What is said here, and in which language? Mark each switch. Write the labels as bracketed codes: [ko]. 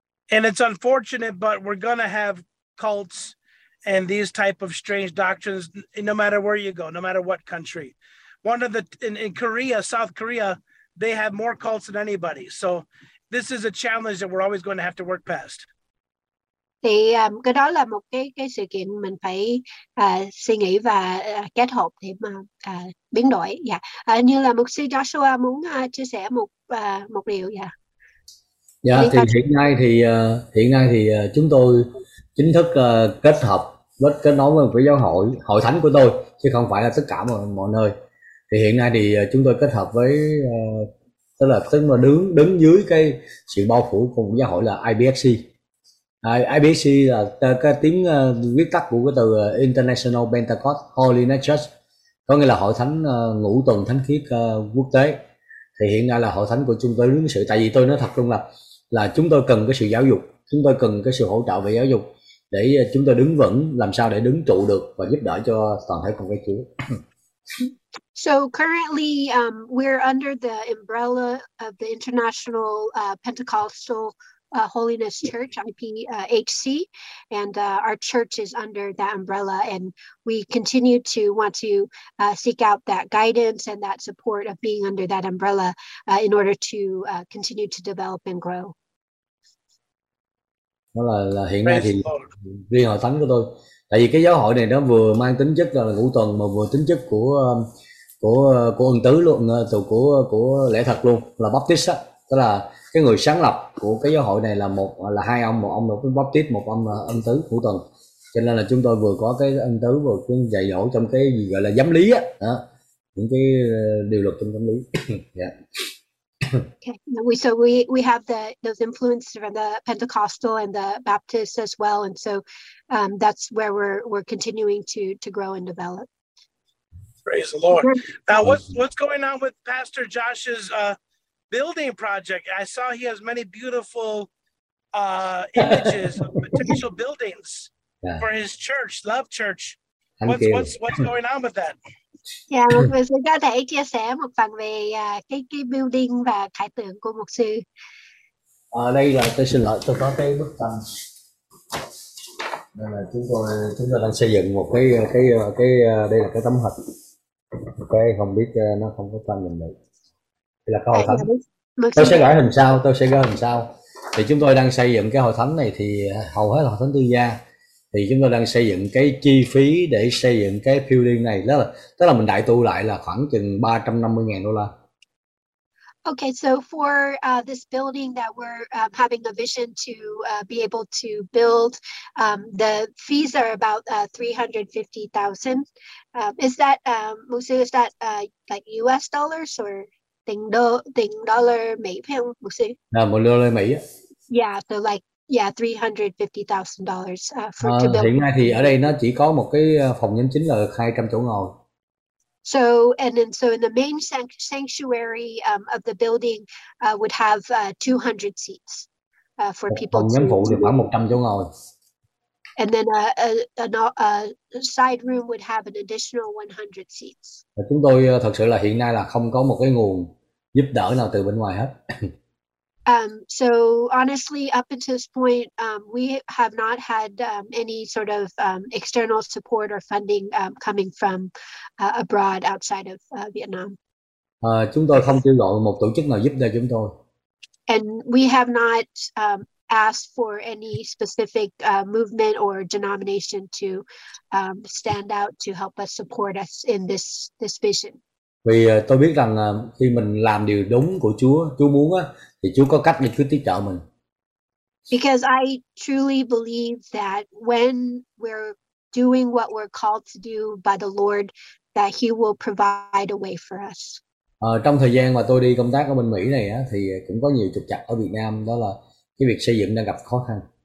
[en] And it's unfortunate, but we're going to have cults and these type of strange doctrines no matter where you go, no matter what country. One of the in Korea, South Korea, they have more cults than anybody. So this is a challenge that we're always going to have to work past. [vi] Thì cái đó là một cái sự kiện mình phải suy nghĩ và kết hợp để mà biến đổi. Dạ. Như là mục sư Joshua muốn chia sẻ một điều. Dạ. Dạ. Thì hiện nay thì chúng tôi chính thức kết hợp với kết nối với một cái giáo hội hội thánh của tôi chứ không phải là tất cả mọi nơi. Thì hiện nay thì chúng tôi kết hợp với tức là đứng dưới cái sự bao phủ của một giáo hội là IBFC. IBC là cái tiếng viết tắt của cái từ International Pentecost Holiness Church, có nghĩa là hội thánh ngũ tuần thánh khiết quốc tế. Thì hiện nay là hội thánh của chúng tôi ứng sự, tại vì tôi nói thật luôn là chúng tôi cần cái sự giáo dục, chúng tôi cần cái sự hỗ trợ về giáo dục để chúng tôi đứng vững, làm sao để đứng trụ được và giúp đỡ cho toàn thể con cái Chúa. [en] So currently, we're under the umbrella of the International Pentecostal Holiness Church, IPHC, and our church is under that umbrella, and we continue to want to seek out that guidance and that support of being under that umbrella in order to continue to develop and grow. [vi] Đó là hiện nay thì riêng hội thánh của tôi, tại vì cái giáo hội này nó vừa mang tính chất là ngũ tuần mà vừa tính chất của ân tứ luôn, của lễ thật luôn, là Baptist á, tức là cái người sáng lập của cái giáo hội này là một là hai ông, một ông là Baptist, một ông là ân tứ ngũ tuần, cho nên là chúng tôi vừa có cái ân tứ vừa cái dạy dỗ trong cái gì gọi là giám lý á, đó, những cái điều luật trong giám lý. [en] Okay, we, so we have the those influences from the Pentecostal and the Baptist as well, and so that's where we're continuing to grow and develop. Praise the Lord. Now, what's going on with Pastor Josh's building project? I saw he has many beautiful images of potential buildings for his church, Love Church. What's going on with that? [vi] Dạ, một người sư có thể chia sẻ một phần về cái building và khải tượng của một sư. Ở đây là tôi xin lỗi, tôi có cái bức tranh. Đây là chúng tôi đang xây dựng một cái đây là cái tấm hình. Ok, không biết nó không có tranh nhìn được. Đây là cái hội thánh. Tôi sẽ gửi hình sau. Thì chúng tôi đang xây dựng cái hội thánh này thì hầu hết là hội thánh tư gia. Thì chúng tôi đang xây dựng cái chi phí để xây dựng cái building này, đó là tức là mình đại tu lại là khoảng chừng 350.000 đô la. [en] Okay, so for this building that we're having a vision to be able to build, the fees are about 350,000. Is that Musu, is that like US dollars or [vi] tính dollar Mỹ không [en] Musu? [vi] À, một đô la Mỹ. [en] Yeah, so like $350,000 for to build. [vi] Hiện nay thì ở đây nó chỉ có một cái phòng nhóm chính là 200 chỗ ngồi. [en] So and then so in the main sanctuary of the building would have 200 seats for [vi] phòng [en] people. [vi] Phòng nhóm phụ thì khoảng 100 chỗ ngồi. [en] And then a side room would have an additional 100 seats. [vi] Chúng tôi thật sự là hiện nay là không có một cái nguồn giúp đỡ nào từ bên ngoài hết. [en] So honestly, up until this point, we have not had any sort of external support or funding coming from abroad outside of Vietnam. [vi] Chúng tôi không kêu gọi một tổ chức nào giúp đỡ chúng tôi. [en] And we have not asked for any specific movement or denomination to stand out to help us support us in this vision. [vi] Vì tôi biết rằng khi mình làm điều đúng của Chúa muốn á, thì Chúa có cách để Chúa tiếp trợ mình. [en] Because I truly believe that when we're doing what we're called to do by the Lord, that He will provide a way for us. [vi] Trong thời gian mà tôi đi công tác ở bên Mỹ này á, thì cũng có nhiều trục trặc ở Việt Nam, đó là cái việc xây dựng đang gặp khó khăn.